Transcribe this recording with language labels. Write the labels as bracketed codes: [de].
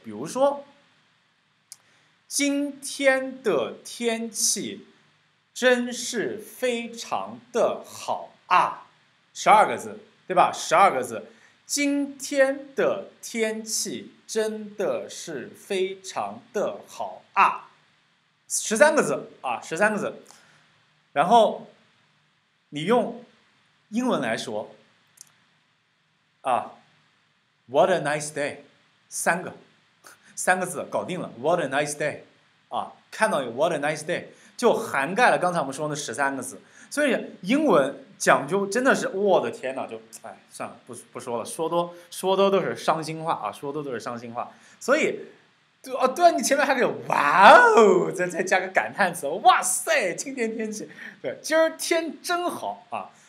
[zh] 比如说今天的天气真是非常的好啊，12个字，对吧？ 12个字，今天的天气真的是非常的好啊，13个字啊，13个字。然后你用英文来说啊 ， [en] What a nice day， [zh] 三个字搞定了 ，What a nice day。啊，看到有 [en] What a nice day， [zh] 就涵盖了刚才我们说的13个字。所以英文讲究真的是，我的天哪，就哎算了，不说了，说多都是伤心话啊，说多都是伤心话。所以对啊，对啊，你前面还有哇哦，再加个感叹词，哇塞，今天天气，对，今儿天真好啊，